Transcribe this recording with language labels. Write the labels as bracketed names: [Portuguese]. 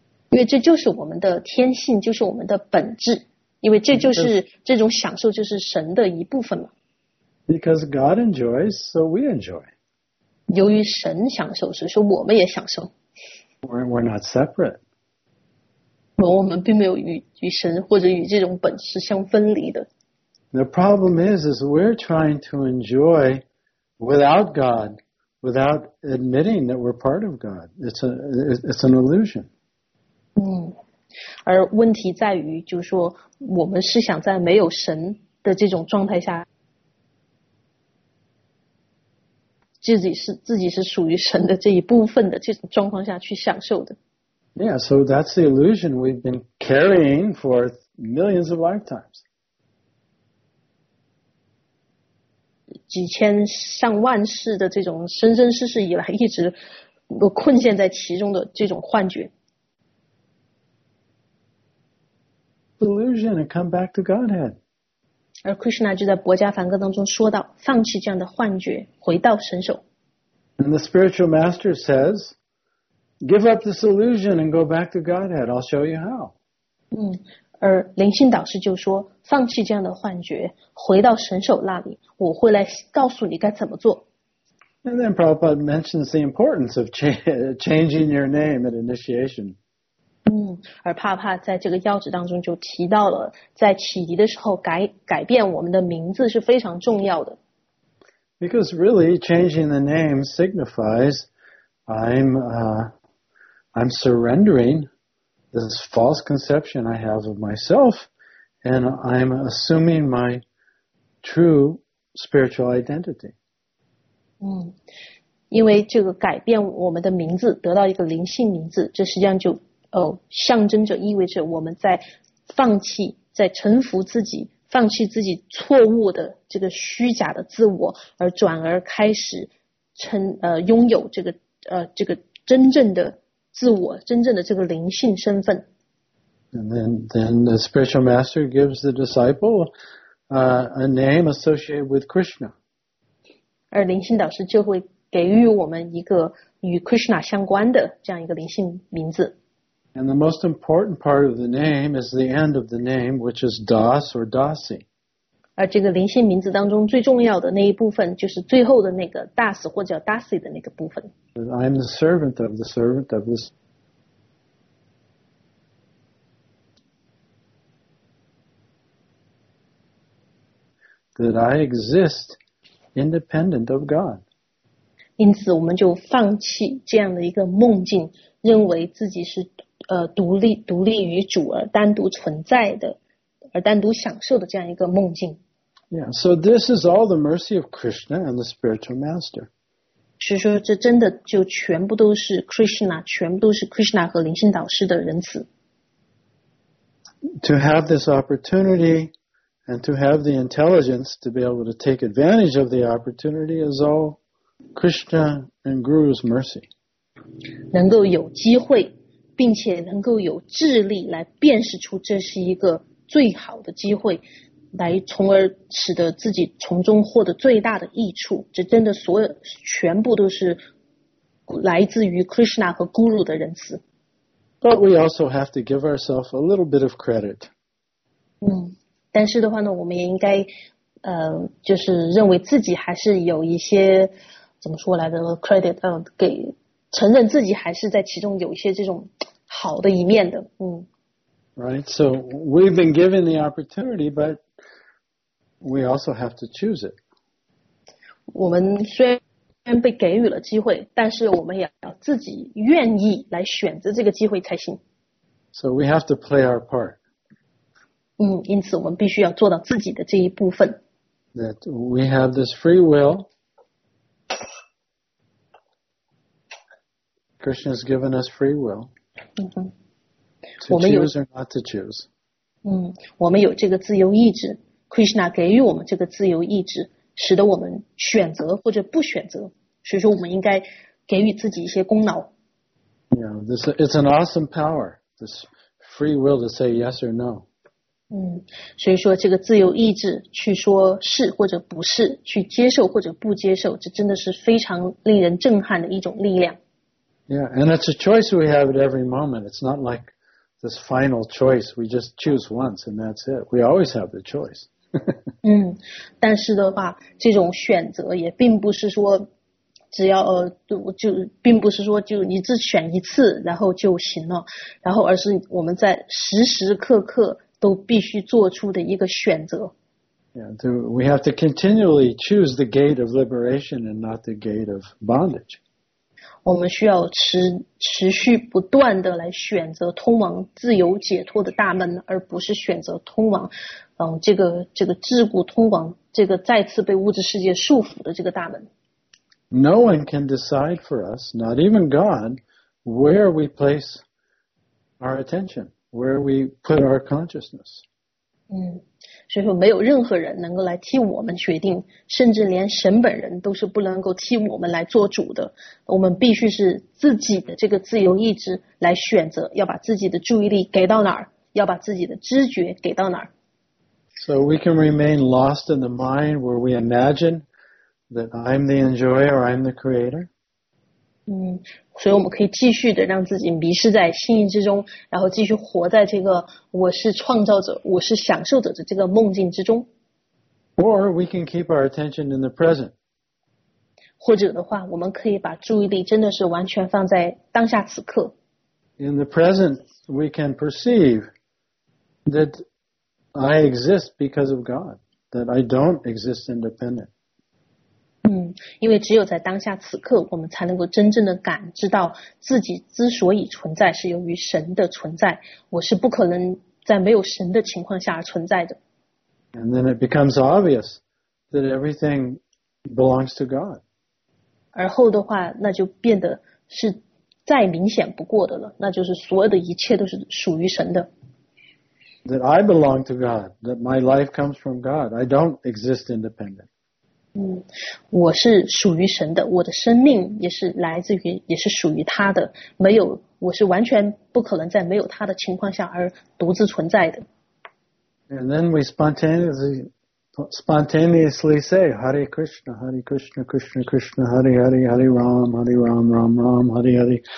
[Chinese] 因为这就是我们的天性，就是我们的本质，因为这就是这种享受就是神的一部分嘛。 [English] Because God enjoys, so we enjoy. [Chinese] 由于神享受，所以说我们也享受。 [English] We're not separate. [Chinese] 我们并没有与神或者与这种本质相分离的。 [English] The problem is we're trying to enjoy without God, without admitting that we're part of God. It's an illusion. [Chinese] 而问题在于，就是说我们是想在没有神的这种状态下，自己是属于神的这一部分的这种状况下去享受的。 [English] Yeah, so that's the illusion we've been carrying for millions of lifetimes. [Chinese] 几千上万世的这种生生世世以来一直困陷在其中的这种幻觉。 [English] Illusion and come back to Godhead. [Chinese] 而 Krishna 就在《薄伽梵歌》当中说到，放弃这样的幻觉，回到神手。 [English] And the spiritual master says,Give up this illusion and go back to Godhead. I'll show you how. [Chinese] 而灵性导师就说，放弃这样的幻觉，回到神手那里，我会来告诉你该怎么做。 [English] And then Prabhupada mentions the importance of changing your name at initiation. [Chinese] 而帕帕在这个要旨当中就提到了，在启迪的时候改变我们的名字是非常重要的。 [English] Because really, changing the name signifies I'm surrendering this false conception I have of myself, and I'm assuming my true spiritual identity. [Chinese] 因为这个改变我们的名字，得到一个灵性名字，这实际上就象征着意味着我们在放弃，在臣服自己，放弃自己错误的这个虚假的自我，而转而开始拥有这个。这个真正的自我，真正的这个灵性身份。 [English] And then the spiritual master gives the disciple a name associated with Krishna. [Chinese] 而灵性导师就会给予我们一个与 Krishna 相关的这样一个灵性名字。 [English] And the most important part of the name is the end of the name, which is Das or Dasi. [Chinese] 而这个灵性名字当中最重要的那一部分，就是最后的那个 Das 或者 Dasi 的那个部分。 [English] I am the servant of the servant of this. That I exist independent of God. [Chinese] 因此我们就放弃这样的一个梦境，认为自己是独立于主而单独存在的，而单独享受的这样一个梦境。 [English] Yeah, so this is all the mercy of Krishna and the spiritual master. [Chinese] 是说这真的就全部都是 Krishna, 全部都是 Krishna 和灵性导师的仁慈。 [English] To have this opportunity and to have the intelligence to be able to take advantage of the opportunity is all Krishna and Guru's mercy. [Chinese] 能够有机会并且能够有智力来辨识出这是一个最好的机会。来从而使得自己从中获得最大的益处，这真的所有全部都是来自于 Krishna 和 Guru 的仁慈。 [English] But we also have to give ourselves a little bit of credit. [Chinese] 但是的话呢，我们也应该就是认为自己还是有一些怎么说来的 credit， 给承认自己还是在其中有一些这种好的一面的。 [English] Right, so we've been given the opportunity, but we also have to choose it. [Chinese] 我们虽然被给予了机会，但是我们也要自己愿意来选择这个机会才行。 [English] So we have to play our part. [Chinese] 因此我们必须要做到自己的这一部分。 [English] That we have this free will. Krishna has given us free will. To choose or not to choose. [Chinese] 我们有这个自由意志。Krishna 给予我们这个自由意志，使得我们选择或者不选择。所以说，我们应该给予自己一些功劳。 [English] Yeah, this it's an awesome power. This free will to say yes or no. [Chinese] 所以说这个自由意志去说是或者不是，去接受或者不接受，这真的是非常令人震撼的一种力量。 [English] Yeah, and it's a choice we have at every moment. It's not like. This final choice, we just choose once and that's it. We always have the choice. [Chinese] 但是的话，这种选择也并不是说只要就并不是说就你只选一次然后就行了，然后而是我们在时时刻刻都必须做出的一个选择。 [English] Yeah, we have to continually choose the gate of liberation and not the gate of bondage. [Chinese] 我们需要持续不断的来选择通往自由解脱的大门，而不是选择通往这个桎梏，通往这个再次被物质世界束缚的这个大门。 [English] No one can decide for us, not even God, where we place our attention, where we put our consciousness. [Chinese] 所以说没有任何人能够来替我们决定，甚至连神本人都是不能够替我们来做主的。我们必须是自己的这个自由意志来选择，要把自己的注意力给到哪儿，要把自己的知觉给到哪儿。 [English] So we can remain lost in the mind where we imagine that I'm the enjoyer or I'm the creator. [Chinese] 所以我们可以继续的让自己迷失在心意之中，然后继续活在这个我是创造者，我是享受者的这个梦境之中。 [English] Or we can keep our attention in the present. [Chinese] 或者的话，我们可以把注意力真的是完全放在当下此刻。 [English] In the present, we can perceive that I exist because of God, that I don't exist independent. [Chinese] 因为只有在当下此刻，我们才能够真正的感知到自己之所以存在是由于神的存在，我是不可能在没有神的情况下而存在的。 [English] And then it becomes obvious that everything belongs to God. [Chinese] 而后的话，那就变得是再明显不过的了，那就是所有的一切都是属于神的。 [English] That I belong to God, that my life comes from God. I don't exist independent. [Chinese] 我是属于神的，我的生命也是来自于，也是属于他的。没有，我是完全不可能在没有他的情况下而独自存在的。 [English] And then we spontaneously say, [Sanskrit] Hare Krishna, Hare Krishna, Krishna Krishna, Hare Hare, Hare Ram, Hare Ram, Ram Ram, Hare Hare.